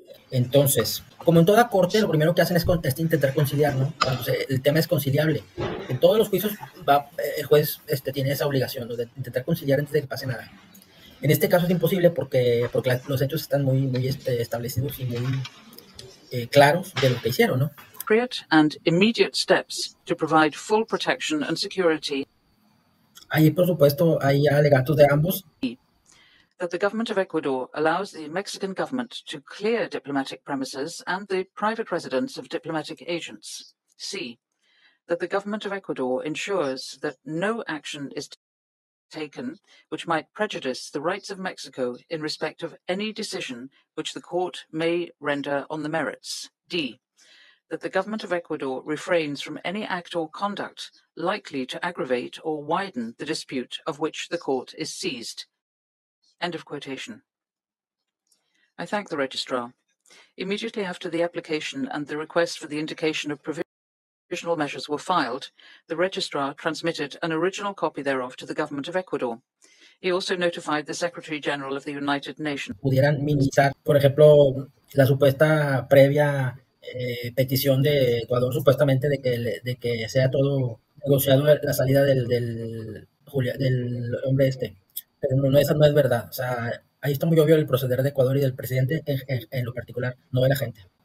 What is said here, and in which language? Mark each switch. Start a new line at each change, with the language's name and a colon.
Spanish: Entonces, como en toda corte, lo primero que hacen es intentar conciliar, ¿no? Cuando el tema es conciliable. En todos los juicios el juez tiene esa obligación, ¿no?, de intentar conciliar antes de que pase nada. En este caso es imposible porque los hechos están muy, muy establecidos y muy claros de lo que hicieron, ¿no?
English: Create and immediate steps to provide full protection and security.
Spanish: Ahí, por supuesto, hay alegatos de ambos.
English: That the government of Ecuador allows the Mexican government to clear diplomatic premises and the private residence of diplomatic agents. C. That the government of Ecuador ensures that no action is taken which might prejudice the rights of Mexico in respect of any decision which the court may render on the merits. D. That the government of Ecuador refrains from any act or conduct likely to aggravate or widen the dispute of which the court is seized. End of quotation. I thank the registrar. Immediately after the application and the request for the indication of provisional measures were filed, the registrar transmitted an original copy thereof to the government of Ecuador. He also notified the Secretary General of the United Nations.
Spanish: Pudieran minimizar, por ejemplo, la supuesta previa petición de Ecuador, supuestamente de que sea todo negociado la salida del hombre este. Pero no, esa no es verdad. O sea, ahí está muy obvio el proceder de Ecuador y del presidente en lo particular, no de la gente.